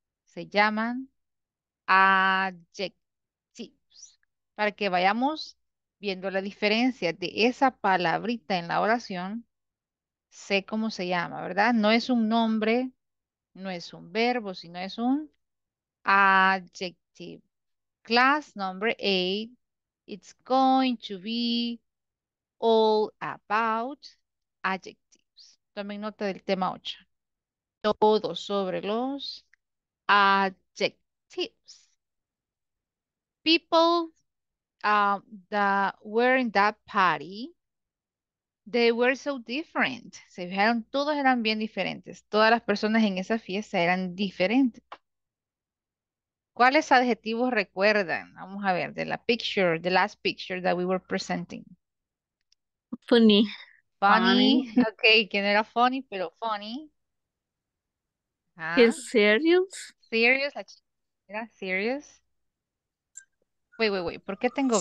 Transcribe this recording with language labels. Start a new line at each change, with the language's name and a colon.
Spanish: Se llaman adjectives. Para que vayamos viendo la diferencia de esa palabrita en la oración, sé cómo se llama, ¿verdad? No es un nombre, no es un verbo, sino es un adjective.
English: Class number 8, it's going to be all about adjectives.
Spanish: Tomen nota del tema 8. Todo sobre los adjectives.
English: People that were in that party, they were so different.
Spanish: Se fijaron, todos eran bien diferentes. Todas las personas en esa fiesta eran diferentes. ¿Cuáles adjetivos recuerdan? Vamos a ver, de la
English: picture, the last picture that we were presenting. Funny, funny.
Spanish: Funny, okay, que no era funny, pero funny. ¿Ah? ¿Es serio? Serious, era serious. Wait, ¿por qué tengo